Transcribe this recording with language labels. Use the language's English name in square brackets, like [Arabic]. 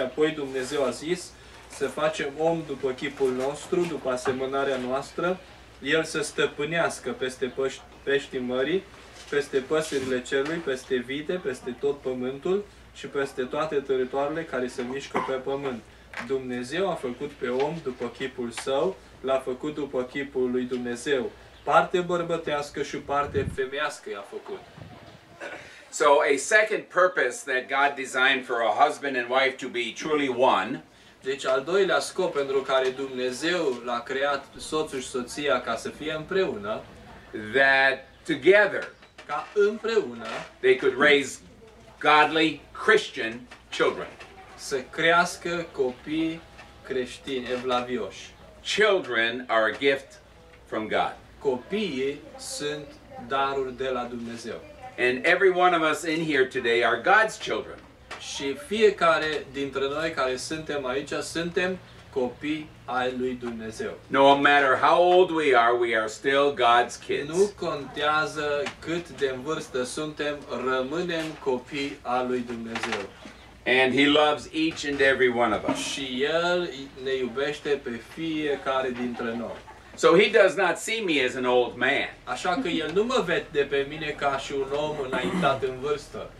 [Romanian] Apoi Dumnezeu a zis, să facem om după chipul nostru, după asemănarea noastră, el să stăpânească peste peștii mării, peste păsările cerului, peste vite, peste tot pământul și peste toate teritoriile care se mișcă pe pământ. Dumnezeu a făcut pe om după chipul său, l-a făcut după chipul lui Dumnezeu. Parte bărbătească și parte femeiască i-a făcut. [English] So a second purpose that God designed for a husband and wife to be truly one. [Romanian] Deci al doilea scop pentru care Dumnezeu l-a creat soțul și soția ca să fie împreună, [English] that together, [Romanian] ca împreună, [English] they could raise godly Christian children. [Romanian] Să crească copii creștini evlavioși. [English] Children are a gift from God. [Romanian] Copiii sunt daruri de la Dumnezeu. [English] And every one of us in here today are God's children. [Romanian] Și fiecare dintre noi care suntem aici suntem copii ai lui Dumnezeu. [English] No matter how old we are still God's kids. [Romanian] Nu contează cât de în vârstă suntem, rămânem copii ai lui Dumnezeu. [English] And he loves each and every one of us. [Romanian] Și el ne iubește pe fiecare dintre noi. [English] So he does not see me as an old man. [Romanian] Așa că el nu mă vede pe mine ca și un om înaintat în vârstă.